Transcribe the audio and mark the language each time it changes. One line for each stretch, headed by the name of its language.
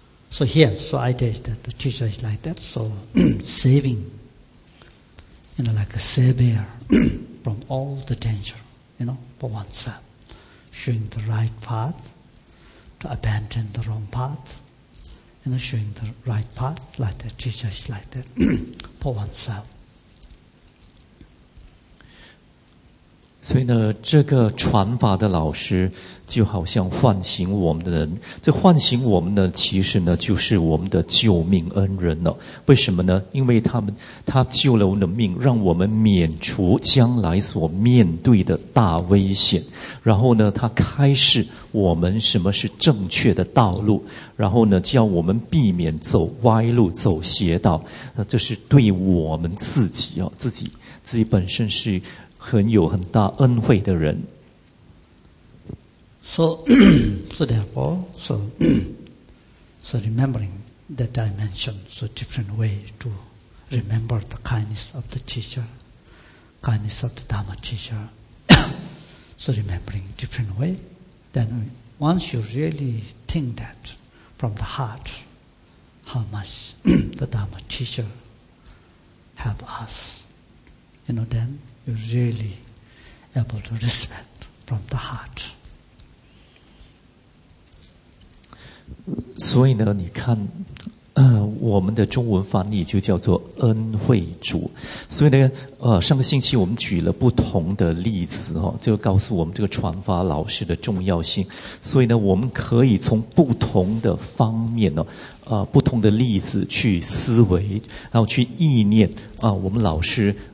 English: So here, so idea is that the teacher is like that. So saving, you know, like a savior from all the danger, you know, for oneself. Showing the right path to abandon the wrong path, and showing the right path like that, teacher is like that for oneself.
Chinese: 所以呢，这个传法的老师就好像唤醒我们的人。这唤醒我们呢，其实呢，就是我们的救命恩人了。为什么呢？因为他救了我们的命，让我们免除将来所面对的大危险。然后呢，他开示我们什么是正确的道路，然后呢，叫我们避免走歪路、走邪道。那这是对我们自己啊，自己本身是。很有很大恩惠的人。
English: So therefore, so remembering that dimension, so different way to remember the kindness of the teacher, kindness of the Dharma teacher. So remembering different way, then once you really think that from the heart, how much the Dharma teacher help us, you know, then. You're really able to respect from the heart.
Chinese: 所以呢，你看，我们的中文翻译就叫做恩惠主。所以呢，上个星期我们举了不同的例子哦，就告诉我们这个传法老师的重要性。所以呢，我们可以从不同的方面呢，不同的例子去思维，然后去意念啊，我们老师。